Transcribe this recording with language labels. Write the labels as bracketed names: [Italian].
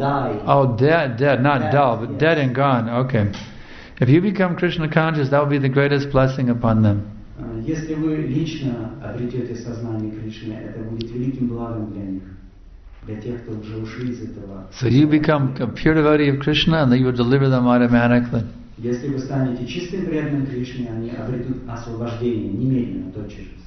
[English] die. Oh, dead, not dead, dull, but yes. Dead and gone. Okay. If you become Krishna conscious, that will be the greatest blessing upon them. [Russian] Если вы лично обретете сознание Кришны, это будет великим благом для них, для тех, кто уже ушли из этого. [English] So you become a pure devotee of Krishna, and then you will deliver them automatically. [Russian] Если вы станете чистым преданным Кришне, они обретут освобождение немедленно, тотчас.